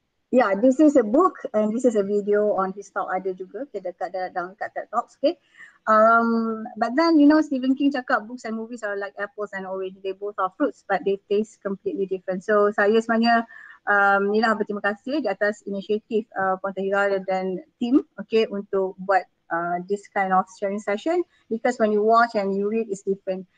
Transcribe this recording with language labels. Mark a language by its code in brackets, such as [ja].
[en] Yeah, this is a book and this is a video on his talk. [ms] Ada juga okay, dekat dalam kat TED Talks. Okay. [en] But then, you know, Stephen King [ms] cakap [en] books and movies are like apples and orange. They both are fruits but they taste completely different. [ms] So saya sebenarnya inilah berterima kasih di atas inisiatif Ponta Hilal dan team okay, untuk buat [en] this kind of sharing session, because when you watch and you read it's different.